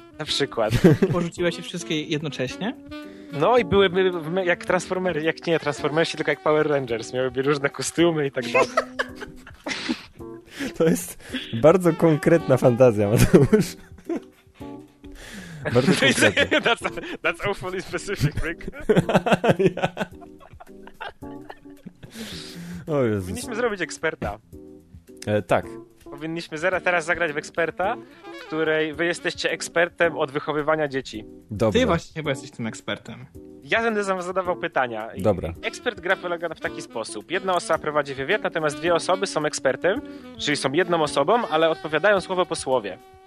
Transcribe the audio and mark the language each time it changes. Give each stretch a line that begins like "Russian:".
Polish: Na przykład. Porzuciłeś się wszystkie jednocześnie? No i byłyby jak Transformers, jak nie Transformers, tylko jak Power Rangers. Miałyby różne kostiumy i tak dalej. To jest bardzo konkretna fantazja, Mateusz. Bardzo konkretna.
English: That's awfully specific, Rick.
Polish: O Jezus. Powinniśmy zrobić eksperta. Tak. Powinniśmy teraz zagrać w eksperta, w której wy jesteście ekspertem od wychowywania dzieci. Dobra. Ty właśnie chyba jesteś tym ekspertem. Ja będę zadawał pytania. Dobra. Ekspert gra polega w taki sposób. Jedna osoba prowadzi wywiad, natomiast dwie osoby są ekspertem, czyli są jedną osobą, ale odpowiadają słowo po słowie.